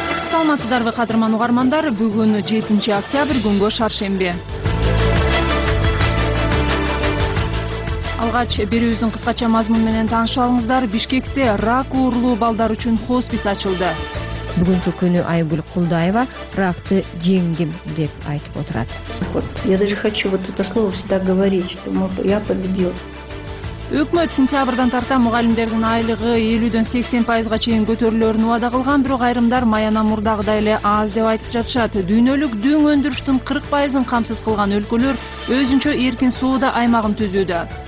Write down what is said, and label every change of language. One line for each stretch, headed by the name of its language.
Kyrgyz: Саламатсыздарбы кадырман угармандар, бүгүн 7-октябрь, күнгө шаршемби. Алгач берүүбүздүн кыскача мазмуну менен таанышып алыңыздар. Бишкекте рак оорулуу балдар үчүн хоспис ачылды. Бүгүнкү күнү Айгүл Кулдаева ракты жеңдим деп айтып отурат.
Russian: Вот, я даже хочу вот это слово всегда говорить, что я победил.
Kyrgyz: Өкмөт сентябрдан тарта мугалимдердин айлыгы 50-80%га чейин көтөрүлөрүн убада кылган, бирок айрымдар маяна мурдагыдай эле аз деп айтып жатышат. Дүйнөлүк дүң өндүрүштүн 40%ын камсыз кылган өлкөлөр өзүнчө эркин соода аймагын түзүүдө.